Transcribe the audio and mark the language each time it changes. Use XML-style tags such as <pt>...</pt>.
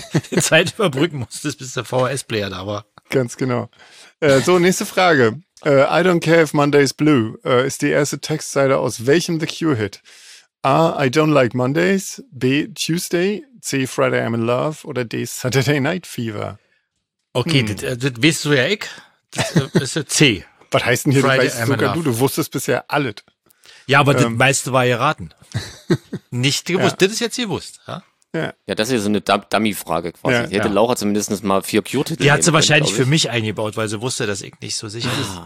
<de>Die Zeit überbrücken musstest, bis der VHS-Player da war. Ganz genau. So, nächste Frage.</de> <en>I don't care if Monday is blue</en> <de>ist die erste Textzeile aus welchem The Cure-Hit? A, I don't like Mondays, B, Tuesday, C, Friday I'm in Love oder D, Saturday Night Fever. Okay, das weißt du ja ich. Das ist C. Was heißt denn hier, Friday, du weißt I'm sogar du wusstest bisher alles. Ja, aber das meiste war erraten. Nicht gewusst, ja. Das ist jetzt gewusst. Ja? Ja, das ist ja so eine Dummy-Frage quasi. Ja, ich hätte Laura zumindest mal vier Cure-Titel. Die hat sie wahrscheinlich für mich eingebaut, weil sie wusste, dass ich nicht so sicher bin.</de>